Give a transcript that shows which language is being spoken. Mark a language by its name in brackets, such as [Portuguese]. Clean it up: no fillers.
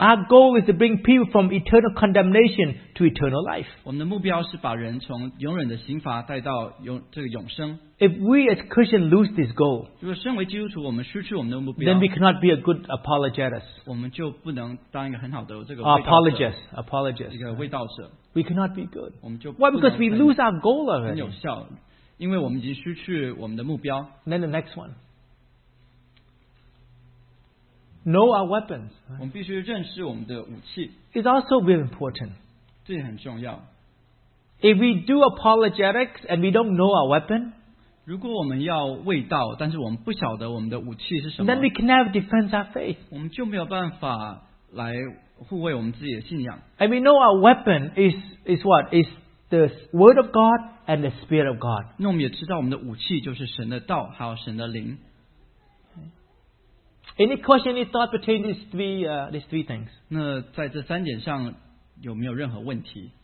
[English] Our goal is to bring people from eternal condemnation to eternal life. [Chinese] 我们的目标是把人从永远的刑罚带到永生。 [English] If we as Christians lose this goal, [Chinese] 如果身为基督徒我们失去我们的目标, [English] then we cannot be a good apologetist. [Chinese] 我们就不能当一个很好的这个 [English] apologist, [Chinese] 一个卫道者。 [English] We cannot be good. [Chinese] 我们就不能, [English] why? Because we lose our goal already. [Chinese] 很有效, 因为我们已经失去我们的目标。 [English] Then the next one. Know our weapons. [Chinese] 我们必须认识我们的武器。 [English] It's also very important. [Chinese] 这也很重要。 [English] If we do apologetics and we don't know our weapon, [Chinese] 如果我们要卫道, 但是我们不晓得我们的武器是什么, [English] then we can never defend our faith. [Chinese] 我们就没有办法来护卫我们自己的信仰。 [English] And we know our weapon is what? Is the Word of God and the Spirit of God. [Chinese] 那我们也知道我们的武器就是神的道, 还有神的灵。 [English] Any question, any thought between these three things? [Chinese] 那在这三点上有没有任何问题?